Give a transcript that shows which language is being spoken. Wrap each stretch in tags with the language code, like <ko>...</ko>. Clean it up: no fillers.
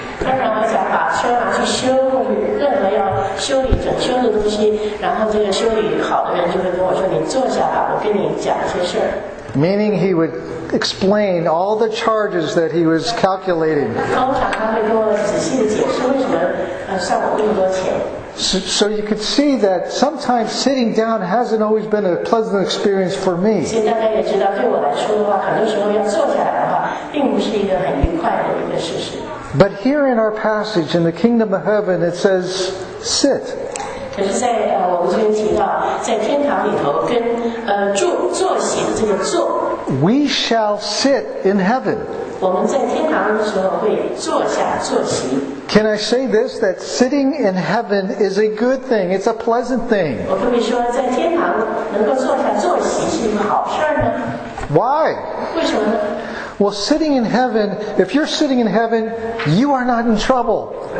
<zh>他让我讲把车拿去修，任何要修理整修的东西，然后这个修理好的人就会跟我说，你坐下吧，我跟你讲一些事。</zh> <en>Meaning he would explain all the charges that he was calculating.</en> <zh>通常他会跟我仔细的解释为什么算我那么多钱。</zh> <en>So you could see that sometimes sitting down hasn't always been a pleasant experience for me.</en> <zh>现在大家也知道，对我来说的话，很多时候要坐下来的话，并不是一个很愉快的一个事实。</zh> <en>But here in our passage, in the kingdom of heaven, it says sit.</en> <zh>可是在我们这边提到在天堂里头跟坐席的这个坐</zh> <en>We shall sit in heaven.</en> <zh>我们在天堂的时候会坐下坐席。</zh> <en>Can I say this, that sitting in heaven is a good thing, it's a pleasant thing? Why? Well, sitting in heaven, if you're sitting in heaven, you are not in trouble.</en>